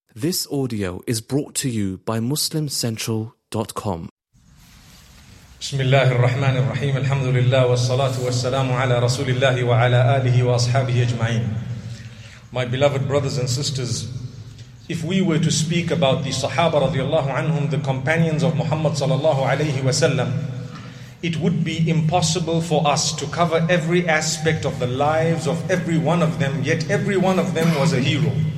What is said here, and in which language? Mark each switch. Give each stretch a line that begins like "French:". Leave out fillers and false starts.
English: This audio is brought to you by MuslimCentral.com.
Arabic: بسم الله الرحمن الرحيم الحمد لله والصلاة والسلام على رسول الله وعلى آله وأصحابه أجمعين.
English: My beloved brothers and sisters, if we were to speak about the Sahaba رضي الله عنهم, the companions of Muhammad صلى الله عليه وسلم, it would be impossible for us to cover every aspect of the lives of every one of them, yet every one of them was a hero.